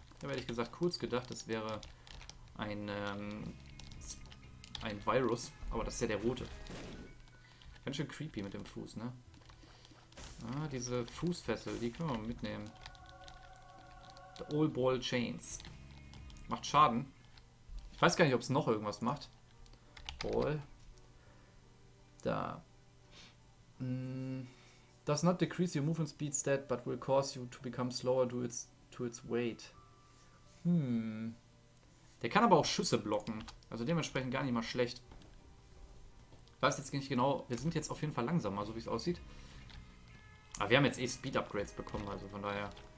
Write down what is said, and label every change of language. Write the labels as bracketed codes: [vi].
[de] Ich habe ehrlich gesagt kurz gedacht, das wäre ein Virus. Aber das ist ja der rote. Ganz schön creepy mit dem Fuß, ne? Ah, diese Fußfessel, die können wir mitnehmen. The Old Ball Chains. Macht Schaden. Ich weiß gar nicht, ob es noch irgendwas macht. Roll. Da. [en] Does not decrease your movement speed stat, but will cause you to become slower due to its weight. [de] Der kann aber auch Schüsse blocken. Also dementsprechend gar nicht mal schlecht. Ich weiß jetzt nicht genau. Wir sind jetzt auf jeden Fall langsamer, so wie es aussieht. Aber wir haben jetzt eh Speed-Upgrades bekommen, also von daher.